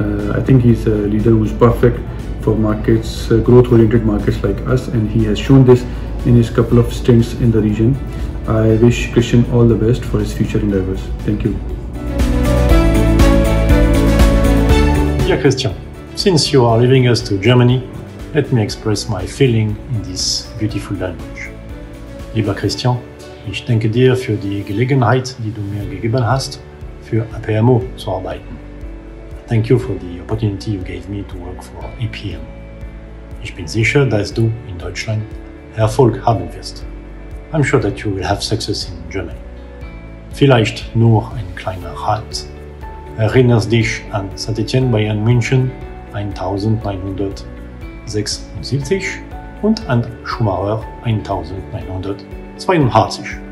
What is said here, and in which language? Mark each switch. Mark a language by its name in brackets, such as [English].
[English] I think he's a leader who's perfect for markets, growth-oriented markets like us, and he has shown this in his couple of stints in the region. I wish Christian all the best for his future endeavors. Thank you. Dear Christian, since you are leaving us to Germany, let me express my feeling in this beautiful language. [German] Lieber Christian, ich danke dir für die Gelegenheit, die du mir gegeben hast, für APMO zu arbeiten. [English] Thank you for the opportunity you gave me to work for APM. [German] Ich bin sicher, dass du in Deutschland Erfolg haben wirst. [English] I'm sure that you will have success in Germany. [German] Vielleicht nur ein kleiner Rat. Erinnerst dich an Saint-Étienne Bayern München 1976 und an Schumacher 1982.